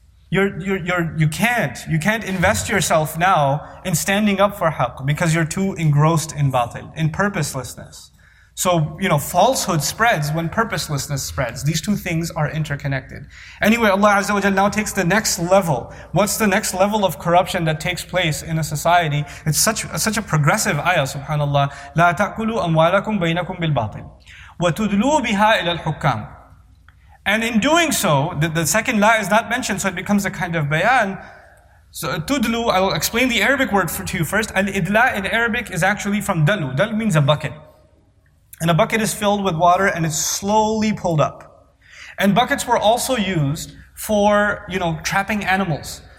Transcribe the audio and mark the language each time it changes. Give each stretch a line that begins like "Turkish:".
English: You can't invest yourself now in standing up for haq because you're too engrossed in batil, in purposelessness. So, you know, falsehood spreads when purposelessness spreads. These two things are interconnected. Anyway, Allah Azza wa Jalla now takes the next level. What's the next level of corruption that takes place in a society? It's such a progressive ayah, subhanAllah.
Arabic: لا تأكلوا أموالكم بينكم بالباطل وتدلوا بها إلى الحكام.
English: And in doing so, the second la is not mentioned, so it becomes a kind of bayan. So tudlu, I'll explain the Arabic word to you first. Al-idla in Arabic is actually from dalu. Dalu means a bucket. And a bucket is filled with water and it's slowly pulled up. And buckets were also used for, you know, trapping animals.